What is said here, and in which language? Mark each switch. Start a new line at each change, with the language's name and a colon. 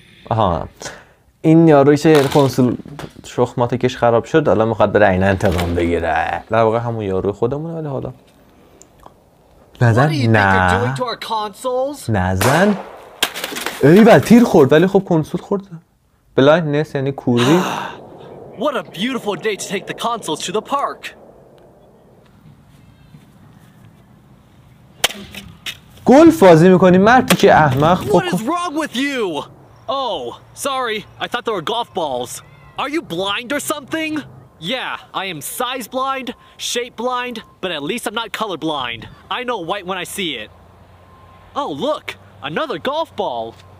Persian: آها این یارو که کنسول شخماتکش خراب شد حالا میخواد بره عین انتقام بگیره در واقع همون یارو خودمونه ولی حالا نزن نه نزن ای بابا تیر خورد ولی خب کنسول خورد بلایندنس یعنی کوری
English: What a beautiful day to take the consoles to the park
Persian: گلف بازی میکنی مردی که احمق
English: What is wrong with you? Oh, sorry, I thought there were golf balls. Are you blind or something? Yeah, I am size blind, shape blind, but at least I'm not color blind. I know white when I see it. Oh, look, another golf ball.